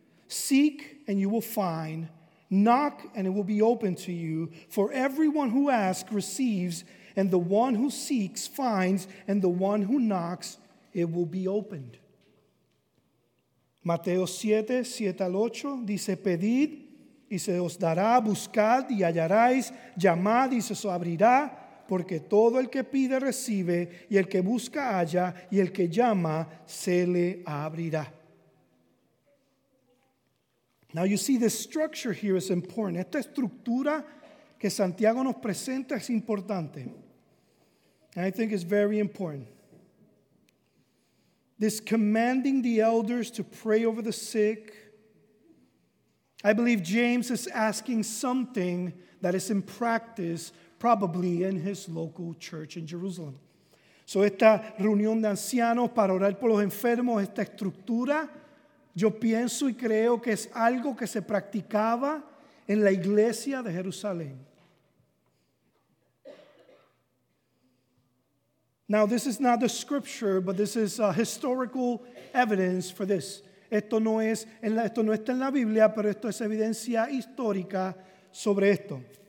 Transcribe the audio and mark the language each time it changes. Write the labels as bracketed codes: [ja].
[en] Seek and you will find. Knock and it will be opened to you. For everyone who asks receives, and the one who seeks finds, and the one who knocks, it will be opened. [es] Mateo 7:7-8 dice, pedid y se os dará, buscad y hallaréis, llamad y se os abrirá, porque todo el que pide recibe, y el que busca halla, y el que llama se le abrirá. [en] Now you see the structure here is important. [es] Esta estructura que Santiago nos presenta es importante. [en] And I think it's very important. This commanding the elders to pray over the sick. I believe James is asking something that is in practice probably in his local church in Jerusalem. [es] So esta reunión de ancianos para orar por los enfermos, esta estructura, yo pienso y creo que es algo que se practicaba en la iglesia de Jerusalén. [en] Now, this is not the scripture, but this is historical evidence for this. [es] Esto no está en la Biblia, pero esto es evidencia histórica sobre esto.